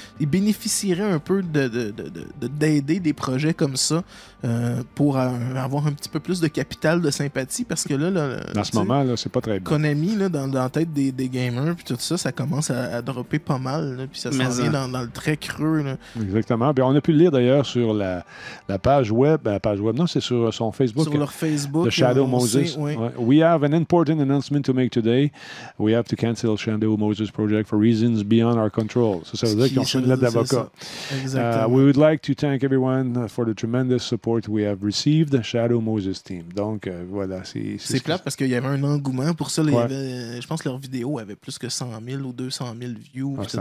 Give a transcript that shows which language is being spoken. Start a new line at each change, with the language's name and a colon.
French: Il bénéficierait un peu d'aider des projets comme ça pour avoir un petit peu plus de capital de sympathie. Parce que là, c'est pas très bien. Konami, là, dans la tête des gamers, puis tout ça, ça commence à dropper pas mal. Là, puis ça s'en vient dans le très creux. Là. Exactement. Puis on a pu le lire d'ailleurs sur la page web. Non, c'est sur son Facebook. Sur leur Facebook. The Shadow Moses. Oui.
English: We have an important announcement to make today. We have to cancel Shadow Moses project for reasons beyond our control.
French: So, ça veut dire qu'ils ont une lettre d'avocat.
English: We would like to thank everyone for the tremendous support we have received, Shadow Moses team.
French: Donc, voilà. C'est clair parce qu'il y avait un engouement pour ça. Ouais. Je pense que leur vidéo avait plus que 100 000 ou 200 000 views.